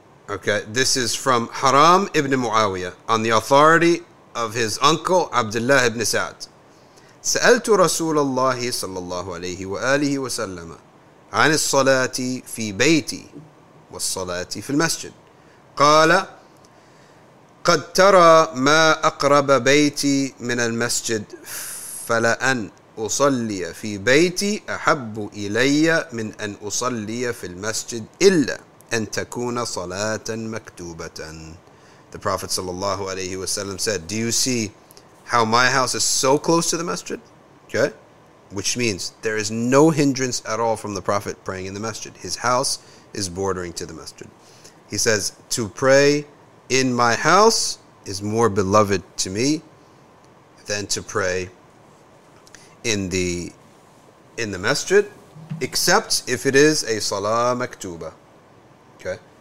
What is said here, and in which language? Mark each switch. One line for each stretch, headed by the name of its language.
English: Okay, this is from Haram ibn Muawiyah on the authority of his uncle Abdullah ibn Sa'd.
Arabic: سألت رسول الله صلى الله عليه وآله وسلم عن الصلاة في بيتي والصلاة في المسجد. قال قد ترى ما أقرب بيتي من المسجد فلأن أصلي في بيتي أحب إلي من أن أصلي في المسجد إلا أن تكون صلاة مكتوبة.
English: The Prophet sallallahu alayhi wa sallam said, do you see how my house is so close to the masjid? Okay, which means there is no hindrance at all from the Prophet praying in the masjid. His house is bordering to the masjid. He says, to pray in my house is more beloved to me than to pray in the masjid, except if it is a salah maktuba. Okay?